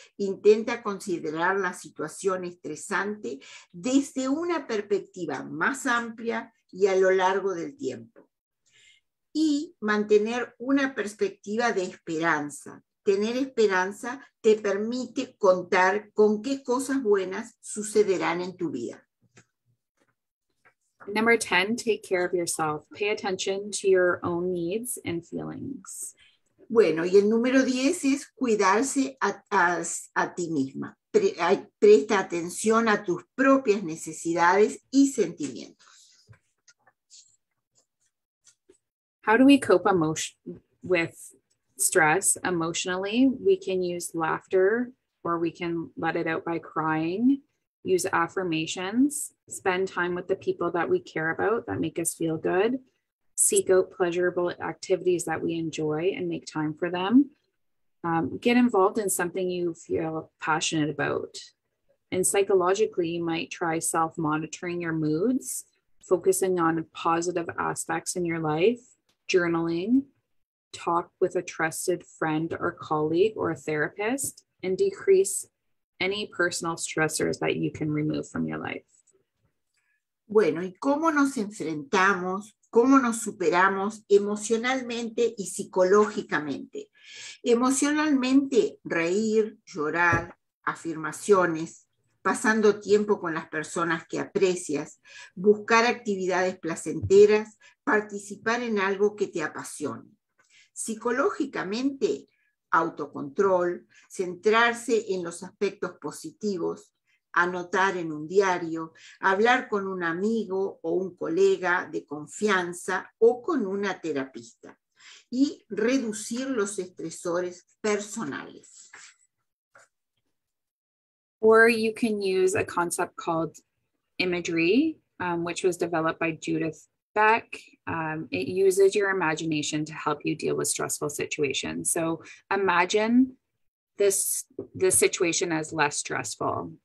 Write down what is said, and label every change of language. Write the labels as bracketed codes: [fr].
[es] Intenta considerar la situación estresante desde una perspectiva más amplia y a lo largo del tiempo. Y mantener una perspectiva de esperanza. Tener esperanza te permite contar con qué cosas buenas sucederán en tu vida. [en] Number 10, take care of yourself. Pay attention to your own needs and feelings. [es] Bueno, y el número 10 es cuidarse a ti misma. Presta atención a tus propias necesidades y sentimientos. [en] How do we cope with stress emotionally? We can use laughter or we can let it out by crying. Use affirmations, spend time with the people that we care about that make us feel good, seek out pleasurable activities that we enjoy and make time for them, get involved in something you feel passionate about. And psychologically, you might try self-monitoring your moods, focusing on positive aspects in your life, journaling, talk with a trusted friend or colleague or a therapist, and decrease any personal stressors that you can remove from your life. [es] Bueno, ¿y cómo nos enfrentamos, cómo nos superamos emocionalmente y psicológicamente? Emocionalmente, reír, llorar, afirmaciones, pasando tiempo con las personas que aprecias, buscar actividades placenteras, participar en algo que te apasione. Psicológicamente, autocontrol, centrarse en los aspectos positivos, anotar en un diario, hablar con un amigo o un colega de confianza o con una terapista y reducir los estresores personales. [en] Or you can use a concept called imagery, which was developed by Judith Beck. It uses your imagination to help you deal with stressful situations. So imagine this situation as less stressful.